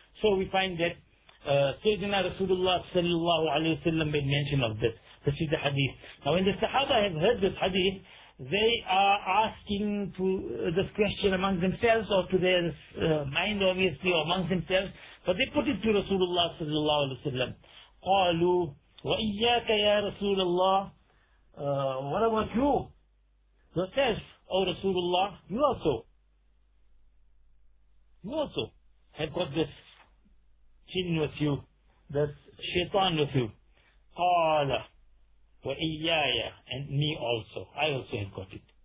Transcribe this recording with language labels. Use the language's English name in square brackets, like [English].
[English] So we find that Sayyidina Rasulullah sallallahu alayhi wa sallam made mention of this. This is the hadith. Now when the Sahaba have heard this hadith, they are asking to this question among themselves or to their mind obviously or among themselves, but they put it to Rasulullah sallallahu alayhi wa sallam. [Arabic] قَالُوا وَإِيَّاكَ يَا رَسُولَ اللَّهِ [English] What about you? Yourself, O Rasulullah, you also have got this jinn with you, this shaitan with you. [Arabic] قَالَ وَإِيَّايَ [English] And me also. I also have got it.